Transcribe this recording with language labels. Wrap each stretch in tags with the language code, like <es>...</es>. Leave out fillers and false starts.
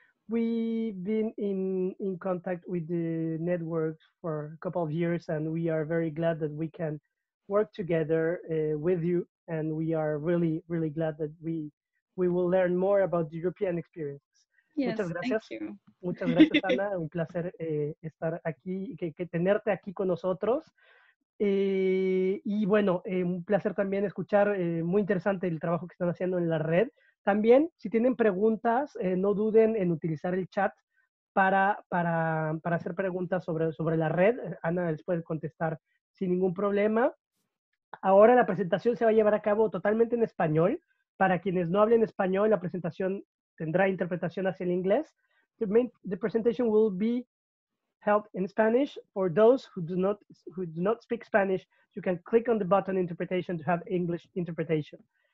<en>We've been in contact with the network for a couple of years, and we are very glad that we can work together with you, and we are really, really glad that we will learn more about the European experience. Yes,</en> <es>muchas gracias.</es> <en>Thank you.</en> <es>Muchas gracias, Ana. Un placer estar aquí y que tenerte aquí con nosotros. Y bueno, un placer también escuchar, muy interesante el trabajo que están haciendo en la red. También, si tienen preguntas, no duden en utilizar el chat para hacer preguntas sobre la red. Ana les puede contestar sin ningún problema. Ahora la presentación se va a llevar a cabo totalmente en español. Para quienes no hablen español, la presentación tendrá interpretación hacia el inglés.</es> <en>The presentation will be help in Spanish. For those who do not speak Spanish, you can click on the button interpretation to have English interpretation.</en>